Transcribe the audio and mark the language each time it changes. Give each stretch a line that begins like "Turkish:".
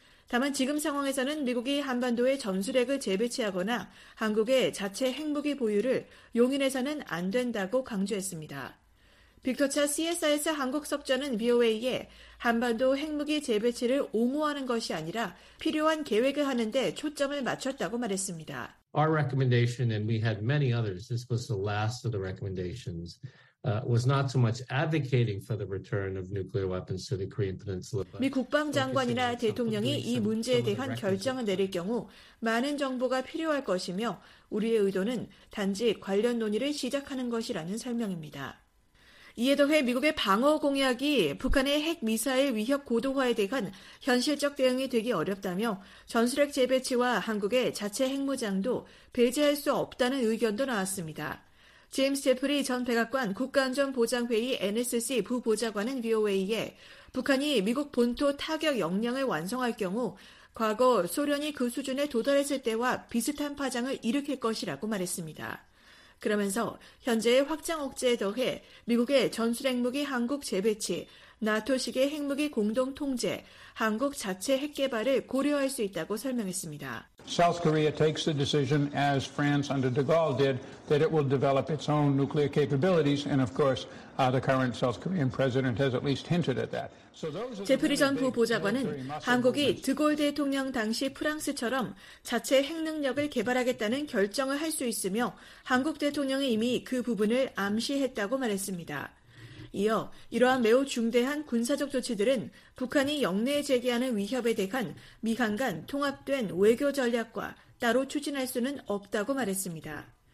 Korean: 다만 지금 상황에서는 미국이 한반도에 전술핵을 재배치하거나 한국의 자체 핵무기 보유를 용인해서는 안 된다고 강조했습니다. 빅터차 CSIS 한국 석좌는 VOA에 한반도 핵무기 재배치를 옹호하는 것이 아니라 필요한 계획을 하는 데 초점을 맞췄다고 말했습니다.
English: Our recommendation, and we had many others, this was the last of the recommendations, was not so much advocating for the return of nuclear weapons to the Korean Peninsula.
Korean: 미 국방장관이나 대통령이 이 문제에 대한 결정을 내릴 경우 많은 정보가 필요할 것이며 우리의 의도는 단지 관련 논의를 시작하는 것이라는 설명입니다. 이에 더해 미국의 방어 공약이 북한의 핵미사일 위협 고도화에 대한 현실적 대응이 되기 어렵다며 전술핵 재배치와 한국의 자체 핵무장도 배제할 수 없다는 의견도 나왔습니다. 제임스 제프리 전 백악관 국가안전보장회의 NSC 부보좌관은 VOA에 북한이 미국 본토 타격 역량을 완성할 경우 과거 소련이 그 수준에 도달했을 때와 비슷한 파장을 일으킬 것이라고 말했습니다. 그러면서 현재의 확장 억제에 더해 미국의 전술 핵무기 한국 재배치, 나토식의 핵무기 공동 통제, 한국 자체 핵 개발을 고려할 수 있다고 설명했습니다.
English: South Korea takes the decision as France under De Gaulle did that it will develop its own nuclear capabilities and of course the current South Korean president has at least hinted at that.
Korean: 제프리 전 부보좌관은 한국이 드골 대통령 당시 프랑스처럼 자체 핵 능력을 개발하겠다는 결정을 할 수 있으며 한국 대통령이 이미 그 부분을 암시했다고 말했습니다. 이어 이러한 매우 중대한 군사적 조치들은 북한이 영내에 제기하는 위협에 대한 미한 간 통합된 외교 전략과 따로 추진할 수는 없다고 말했습니다.